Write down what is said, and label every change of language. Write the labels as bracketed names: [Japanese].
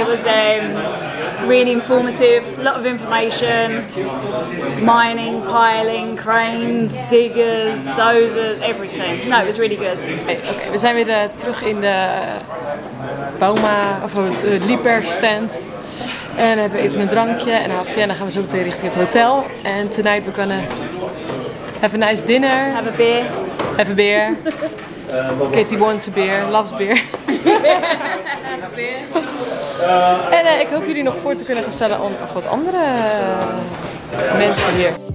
[English] It was really informative, a lot of information, mining, piling, cranes, diggers, dozers, everything. No, it was really good. [Dutch] Okay, we zijn weer terug in de Bauma, of de Liebherr stand. En we hebben even een drankje en een hapje en dan gaan we zo meteen richting het hotel. [English] And tonight we're gonna have a nice dinner. Have a beer. Have a beer. Katie wants a beer, loves beer. [Dutch] En ik hoop jullie nog voor te kunnen gaan stellen aan nog wat andere mensen hier.